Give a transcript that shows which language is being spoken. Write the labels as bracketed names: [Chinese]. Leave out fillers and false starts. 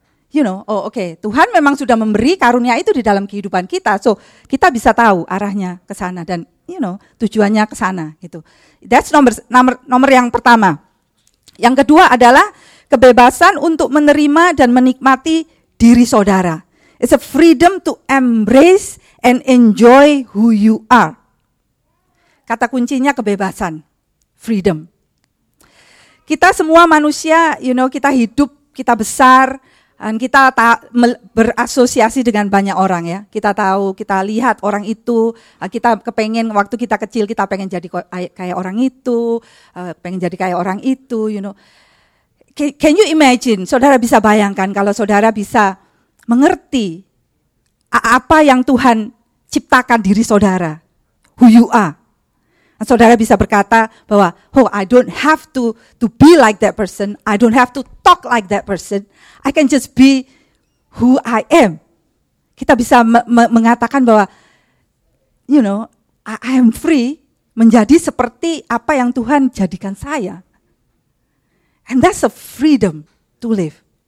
[English] You know, [Indonesian] oh okay, Tuhan memang sudah memberi karunia itu di dalam kehidupan kita, so kita bisa tahu arahnya ke sana dan [English] you know [Indonesian] tujuannya ke sana gitu. [English] That's [Indonesian] nomor yang pertama. Yang kedua adalah kebebasan untuk menerima dan menikmati diri saudara. [English] It's a freedom to embrace and enjoy who you are. [Indonesian] Kata kuncinya kebebasan, freedom. Kita semua manusia, [English] you know, [Indonesian] kita hidup, kita besar, dan kita berasosiasi dengan banyak orang ya. Kita tahu, kita lihat orang itu, kita kepengen waktu kita kecil kita pengen jadi kayak orang itu, pengen jadi kayak orang itu, [English] you know. Can you imagine? [Indonesian] Saudara bisa bayangkan kalau saudara bisa mengerti apa yang Tuhan ciptakan diri saudara, [English] who you are. [Indonesian] Saudara bisa berkata bahwa, [English] oh, I don't have to be like that person. I don't have to talk like that person. I can just be who I am. [Indonesian] Kita bisa mengatakan bahwa, [English] you know, I am free [Indonesian] menjadi seperti apa yang Tuhan jadikan saya. [English] And that's a freedom to live.